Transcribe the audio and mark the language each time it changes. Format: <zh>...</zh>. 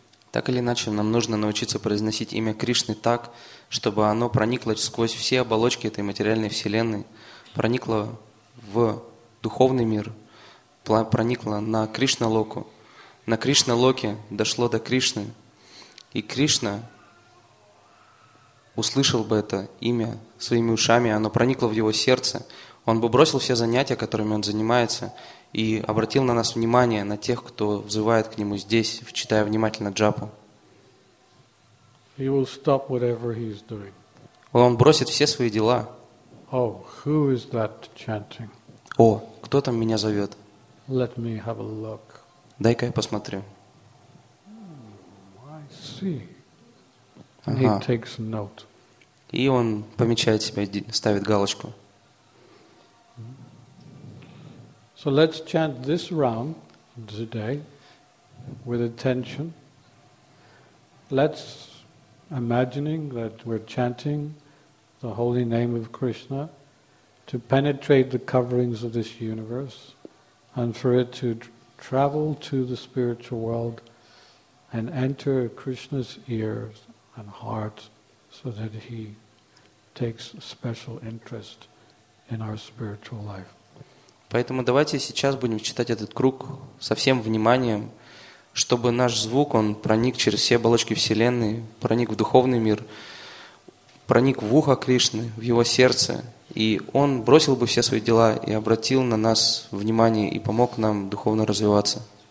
<ru>Так или иначе, нам нужно научиться произносить имя Кришны так, чтобы оно проникло сквозь все оболочки этой материальной вселенной, проникло в духовный мир, проникло на Кришна-локу. На Кришна-локе дошло до Кришны, и Кришна услышал бы это имя своими ушами, оно проникло в его сердце. Он бы бросил все занятия, которыми он занимается, и обратил на нас внимание, на тех, кто взывает к нему здесь, читая внимательно джапу.</ru> <en>He will stop whatever he's doing.</en> <ru>Он бросит все свои дела.</ru> <en>Oh, who is that chanting?</en> <ru>О, кто там меня зовет?</ru> <en>Let me have a look.</en> <ru>Дай-ка я посмотрю.</ru> <en>I see. And he takes note.</en> <ru>И он помечает себя, ставит галочку.</ru> <en>So let's chant this round today with attention. Let's imagining that we're chanting the holy name of Krishna to penetrate the coverings of this universe and for it to travel to the spiritual world and enter Krishna's ears and heart so that he takes special interest in our spiritual life.</en> <ru>Поэтому давайте сейчас будем читать этот круг со всем вниманием, чтобы наш звук, он проник через все оболочки Вселенной, проник в духовный мир, проник в ухо Кришны, в его сердце, и он бросил бы все свои дела и обратил на нас внимание и помог нам духовно развиваться.</ru>